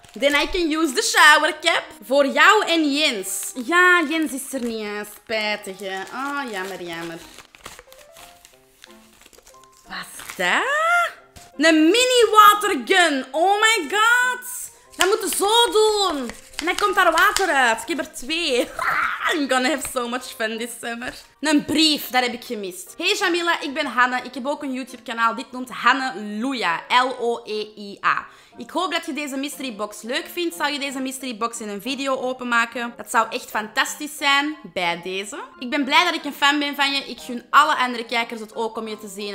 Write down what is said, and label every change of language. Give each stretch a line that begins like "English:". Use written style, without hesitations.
English: Then I can use the shower cap.
Dutch: Voor jou en Jens. Ja, Jens is er niet aan. Spijtig, hè. Oh, jammer, jammer. Wat is dat? Een mini watergun.
English: Oh my god.
Dutch: Dat moet je zo doen. En dan komt daar water uit. Ik heb er twee.
English: I'm gonna have so much fun this summer.
Dutch: Een brief, dat heb ik gemist. Hey Jamila, ik ben Hanne. Ik heb ook een YouTube-kanaal. Dit noemt Hanne Luia. L-O-E-I-A. Ik hoop dat je deze mystery box leuk vindt. Zou je deze mystery box in een video openmaken? Dat zou echt fantastisch zijn. Bij deze. Ik ben blij dat ik een fan ben van je. Ik gun alle andere kijkers het ook om je te zien.